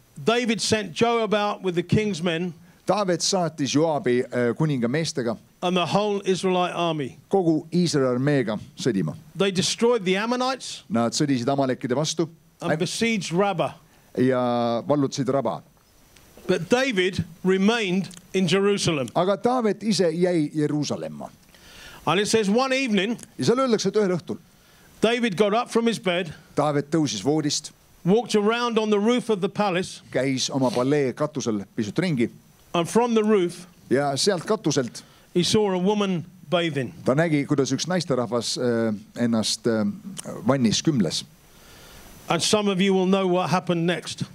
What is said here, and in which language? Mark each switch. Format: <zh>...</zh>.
<en>David sent Joab out with the king's men,</en> <et>Taavet saatis Joabi kuninga meestega,</et> <en>and the whole Israelite army.</en> <et>Kogu Iisrael armeega sõdima.</et> <en>They destroyed the Ammonites.</en> <et>Nad sõdisid Amalekide vastu.</et> <en>And besieged Rabbah.</en> <et>Ja vallutsid Rabba.</et> <en>But David remained in Jerusalem.</en> <et>Aga Taavet ise jäi Jerusalemma.</et> <en>And it says one evening,</en> <et>ja seal öeldakse, et ühel õhtul,</et> <en>David got up from his bed,</en> <et>Taavet tõusis voodist,</et> <en>walked around on the roof of the palace,</en> <et>käis oma palee katusel pisut ringi,</et> <en>and from the roof,</en> <et>ja sealt katuselt,</et> <en>he saw a woman bathing.</en> <et>Ta nägi, kuidas üks naisterahvas ennast vannis kümles.</et> <en>And some of you will know what happened next.</en>